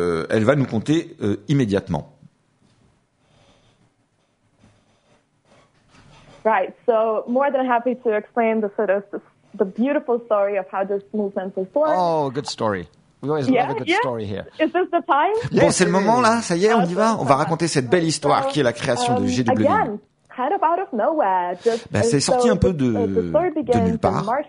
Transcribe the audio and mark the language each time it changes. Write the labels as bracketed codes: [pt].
[fr] Elle va nous conter immédiatement. [en] Right, so more than happy to explain the sort of the beautiful story of how this movement was born. Oh, good story. We always love a good story here. Is this the time? [fr] Bon, c'est le moment là, ça y est, on y va. On va raconter cette belle histoire qui est la création de GW. [en] Again, kind of out of nowhere. [fr] C'est sorti un peu de nulle part.